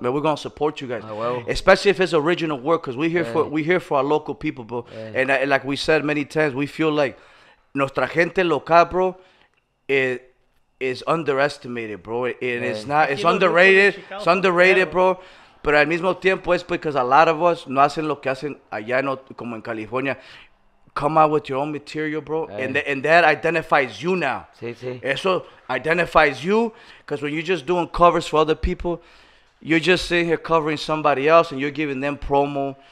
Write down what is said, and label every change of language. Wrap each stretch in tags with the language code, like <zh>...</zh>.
<en>Man, we're going to support you guys. Especially if it's original work, because we're here for our local people, bro. And like we said many times, we feel like</en> <es>nuestra gente local,</es> <en>bro, is underestimated, bro. And it's not, it's underrated, bro.</en> <es>pero al mismo tiempo es porque</es> <en>a lot of us</en> <es>no hacen lo que hacen allá en, como en California.</es> <en>Come out with your own material, bro. And that identifies you now.</en> <es>Sí, sí.</es> <en>Eso identifies you, because when you're just doing covers for other people, you're just sitting here covering somebody else and you're giving them promo.</en>